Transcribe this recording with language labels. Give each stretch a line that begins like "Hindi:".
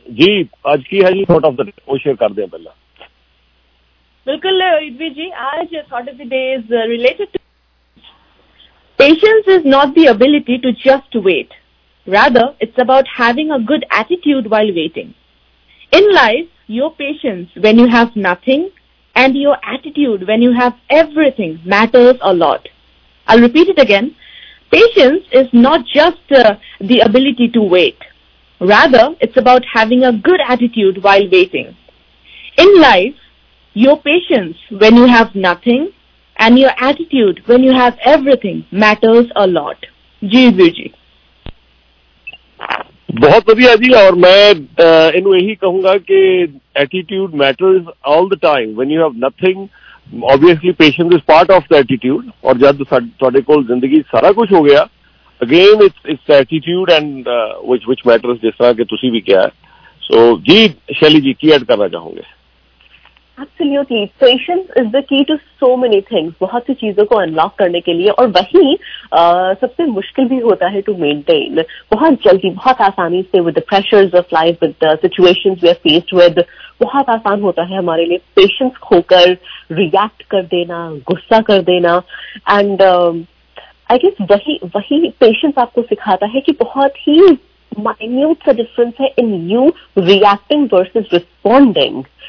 Hindi: जी आज की है जी
English: thought of the day,
Hindi: वो शेयर कर दें पहला. बिल्कुल रवी जी, आज
English: Thought of the day is related to patience is not the ability to just wait, rather it's about having a good attitude while waiting. In life, your patience when you have nothing and your attitude when you have everything matters a lot. I'll repeat it again. Patience is not just the ability to wait. Rather, it's about having a good attitude while waiting. In life, your patience when you have nothing and your attitude when you have everything matters a lot.
Hindi: Jee Bhi Ji. बहुत बढ़िया जी. और मैं इन यही कहूंगा कि
English: Attitude matters all the time when you have nothing. Obviously patience is part of the attitude.
Punjabi: और जब तुहाडे कोल जिंदगी सारा कुछ हो गया,
English: again it's attitude and which matters,
Punjabi: जिस तरह के तुसी भी किया है.
English: So,
Hindi: जी शैली जी की ऐड करना चाहूंगे।
English: Absolutely, patience is the key to so many things.
Hindi: बहुत सी चीजों को अनलॉक करने के लिए और वही सबसे मुश्किल भी होता है
English: To maintain.
Hindi: बहुत जल्दी बहुत आसानी से
English: with the pressures of life with the situations we are faced with
Hindi: बहुत आसान होता है हमारे लिए पेशेंस खोकर रिएक्ट कर देना गुस्सा कर देना
English: and I guess
Hindi: वही पेशेंस आपको सिखाता है कि बहुत ही माइन्यूट सा डिफरेंस है
English: In you reacting versus responding.